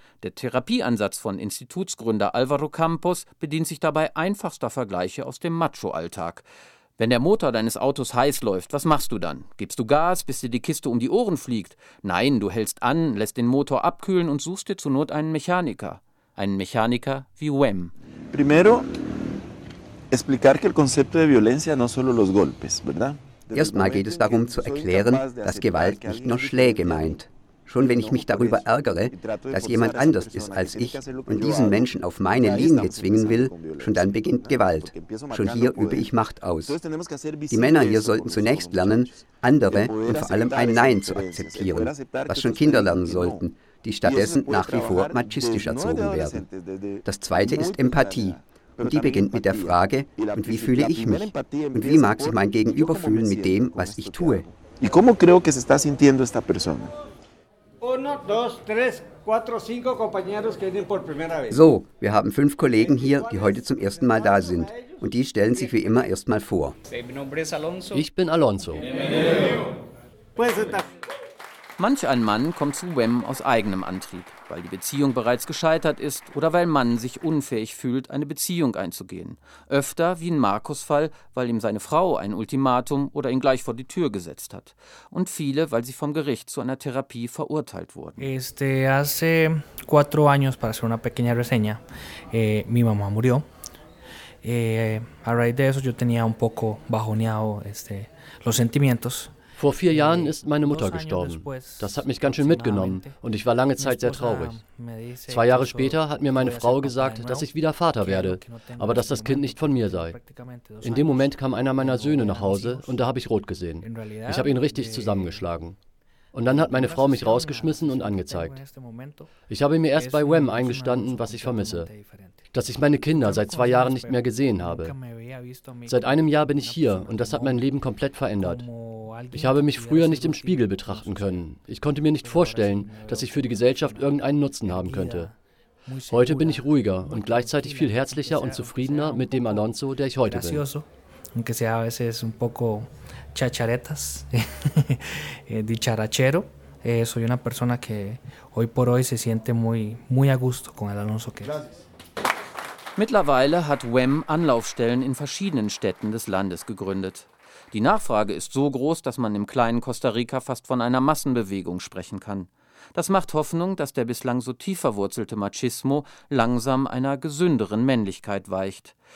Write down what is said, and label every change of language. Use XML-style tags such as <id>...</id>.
<de>Der Therapieansatz von Institutsgründer Alvaro Campos bedient sich dabei einfachster Vergleiche aus dem Macho-Alltag. Wenn der Motor deines Autos heiß läuft, was machst du dann? Gibst du Gas, bis dir die Kiste um die Ohren fliegt? Nein, du hältst an, lässt den Motor abkühlen und suchst dir zur Not einen Mechaniker. Einen Mechaniker wie Wem.</de> <es>Primero, explicar que el concepto de violencia no solo los golpes, ¿verdad?</es> <de>Erstmal geht es darum zu erklären, dass Gewalt nicht nur Schläge meint. Schon wenn ich mich darüber ärgere, dass jemand anders ist als ich und diesen Menschen auf meine Linie zwingen will, schon dann beginnt Gewalt. Schon hier übe ich Macht aus. Die Männer hier sollten zunächst lernen, andere und vor allem ein Nein zu akzeptieren, was schon Kinder lernen sollten, die stattdessen nach wie vor machistisch erzogen werden. Das zweite ist Empathie. Und die beginnt mit der Frage, und wie fühle ich mich? Und wie mag sich mein Gegenüber fühlen mit dem, was ich tue? Und wie glaube ich, dass sich diese Person fühlt?</de> <es>1, 2, 3, 4, 5 compañeros que vienen por primera vez.</es> <de>So, wir haben 5 Kollegen hier, die heute zum ersten Mal da sind. Und die stellen sich wie immer erstmal vor. Ich bin Alonso. Manch ein Mann kommt zu WEM aus eigenem Antrieb, weil die Beziehung bereits gescheitert ist oder weil Mann sich unfähig fühlt, eine Beziehung einzugehen. Öfter, wie in Markus' Fall, weil ihm seine Frau ein Ultimatum oder ihn gleich vor die Tür gesetzt hat. Und viele, weil sie vom Gericht zu einer Therapie verurteilt wurden.</de> <es>Hace 4 años, para hacer una pequeña reseña, mi mamá murió. A raíz de eso yo tenía un poco bajoneado los sentimientos.</es> <de>Vor 4 Jahren ist meine Mutter gestorben. Das hat mich ganz schön mitgenommen und ich war lange Zeit sehr traurig. 2 Jahre später hat mir meine Frau gesagt, dass ich wieder Vater werde, aber dass das Kind nicht von mir sei. In dem Moment kam einer meiner Söhne nach Hause und da habe ich rot gesehen. Ich habe ihn richtig zusammengeschlagen. Und dann hat meine Frau mich rausgeschmissen und angezeigt. Ich habe mir erst bei WEM eingestanden, was ich vermisse. Dass ich meine Kinder seit 2 Jahren nicht mehr gesehen habe. Seit einem Jahr bin ich hier und das hat mein Leben komplett verändert. Ich habe mich früher nicht im Spiegel betrachten können. Ich konnte mir nicht vorstellen, dass ich für die Gesellschaft irgendeinen Nutzen haben könnte. Heute bin ich ruhiger und gleichzeitig viel herzlicher und zufriedener mit dem Alonso, der ich heute bin.</de> <es>Aunque sea a veces un poco chacharetas, dicharachero, soy una persona que hoy por hoy se siente muy, muy a gusto con el Alonso que es.</es> <de>Mittlerweile hat WEM Anlaufstellen in verschiedenen Städten des Landes gegründet. Die Nachfrage ist so groß, dass man im kleinen Costa Rica fast von einer Massenbewegung sprechen kann. Das macht Hoffnung, dass der bislang so tief verwurzelte Machismo langsam einer gesünderen Männlichkeit weicht.</de>